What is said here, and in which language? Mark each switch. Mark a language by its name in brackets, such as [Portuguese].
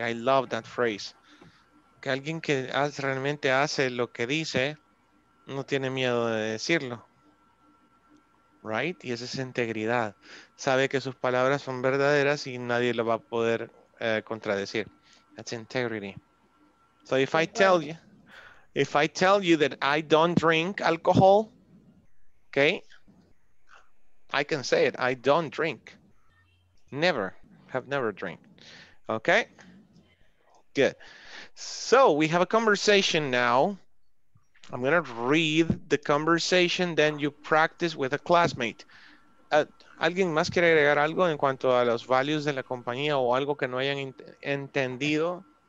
[English] I love that phrase. [Spanish] Que alguien que realmente hace lo que dice, no tiene miedo de decirlo. Right? Y esa es integridad. Sabe que sus palabras son verdaderas y nadie lo va a poder contradecir. [English] That's integrity. So if I tell you that I don't drink alcohol, okay? I can say it. I don't drink. Have never drank. Okay? Good. So we have a conversation now. I'm going to read the conversation, then you practice with a classmate. [Spanish] ¿Alguien más quiere agregar algo en cuanto a los values de la compañía o algo que no hayan entendido?